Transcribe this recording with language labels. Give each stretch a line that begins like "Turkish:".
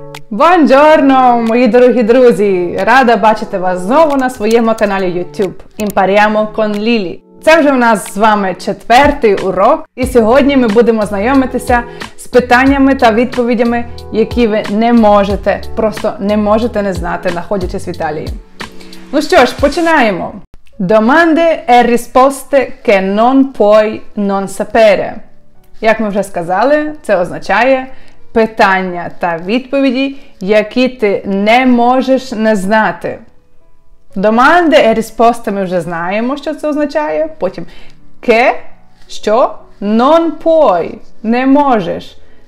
Ukrainian: Buongiorno, мої дорогі друзі! Рада бачити вас знову на своєму каналі YouTube. Імпаріамо кон Лілі. Це вже у нас з вами четвертий урок, і сьогодні ми будемо знайомитися з питаннями та відповідями, які ви не можете, просто не можете не знати, знаходячись в Італії. Ну що ж, починаємо!
Italian: Domande e risposte che non puoi non sapere.
Ukrainian: Як ми вже сказали, це означає питання та відповіді, які ти не можеш не знати.
Italian: Domande e risposte
Ukrainian: ми вже знаємо, що це означає. Потім che, що,
Italian: non puoi,
Ukrainian: не можеш.